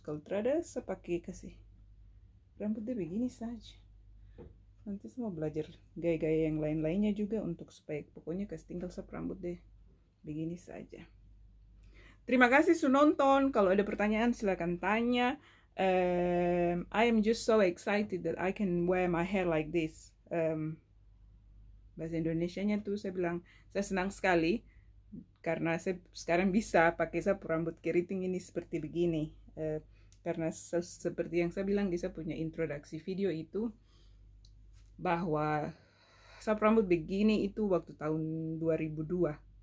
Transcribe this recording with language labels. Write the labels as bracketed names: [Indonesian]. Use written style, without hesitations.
[Indonesian] Kalau terada, saya pakai kasih rambutnya begini saja. Nanti saya mau belajar gaya-gaya yang lain-lainnya juga untuk supaya pokoknya kasih tinggal saya rambut deh begini saja. Terima kasih sudah nonton. Kalau ada pertanyaan silakan tanya. [English] I am just so excited that I can wear my hair like this. [Indonesian] Bahasa Indonesianya tuh saya bilang saya senang sekali karena saya sekarang bisa pakai sapu rambut keriting ini seperti begini. Karena seperti yang saya bilang di saya punya introduksi video itu bahwa sapu rambut begini itu waktu tahun 2002.